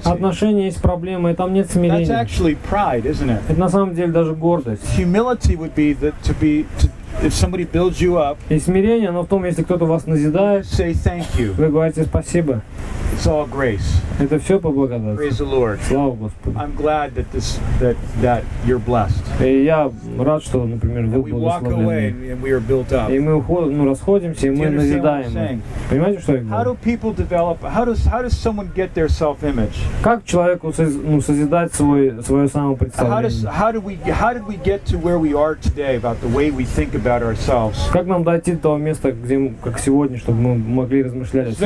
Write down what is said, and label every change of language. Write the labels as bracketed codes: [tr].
[ru] В таком отношении есть проблема, и там нет смирения. [en] That's actually pride, isn't it? [ru] Это на самом деле даже гордость. [en] Humility would be if somebody builds you up, [ru] и смирение, оно в том, если кто-то вас назидает, [en] say thank you. [ru] Вы говорите спасибо. [en] It's all grace. [ru] Это все по благодати. [en] Praise the Lord. [ru] Слава Господу. [en] I'm glad that that you're blessed. [ru] И я рад, что, например, вы благословлены. И мы расходимся, и мы назидаем. Понимаете, что я говорю? [en] How do people develop? How does someone get their self-image? [ru] Как человеку созидать свое самопредставление? [en] How did we get to where we are today about the way we think about ourselves? [ru] Как нам дойти до того места, где как сегодня, чтобы мы могли размышлять о себе?